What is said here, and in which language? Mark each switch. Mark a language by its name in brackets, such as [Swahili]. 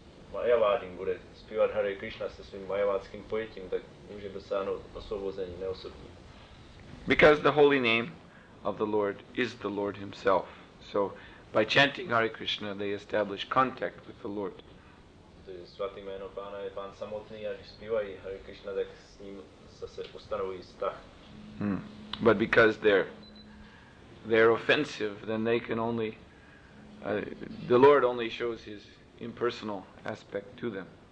[Czech] Mayavadin bude zpívat Hare Krishna se svým mayavadským pojetím, tak může dosáhnout osvobození neosobní. [English] Because the holy name of the Lord is the Lord himself. So by chanting Hare Krishna, they establish contact with the Lord. [Czech] Svatý jméno Pána je Pán samotný, a když zpívají Hare Krishna, tak s ním zase ustanovují vztah. [English] But because they're offensive, then they can only, the Lord only shows his impersonal aspect to them.